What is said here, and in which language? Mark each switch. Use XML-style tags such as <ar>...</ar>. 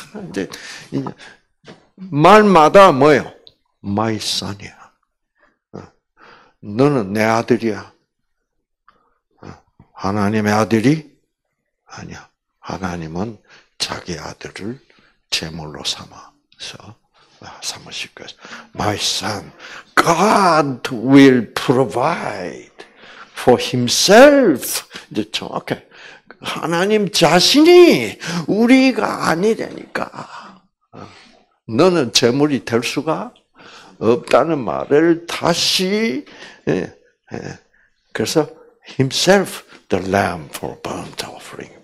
<ko>이제, 말마다 뭐예요?</ko> <en>my son</en> <ko>이야. 너는 내 아들이야. 하나님의 아들이 아니야. 하나님은 자기 아들을 제물로 삼아서 삼으실 거예요.</ko> <en>My son, God will provide for himself.</en> <ko>이제 정확해. 하나님 자신이 우리가 아니라니까. 너는 제물이 될 수가 없다는 말을 다시, 그래서</ko> <en>himself, the lamb for burnt offering.</en>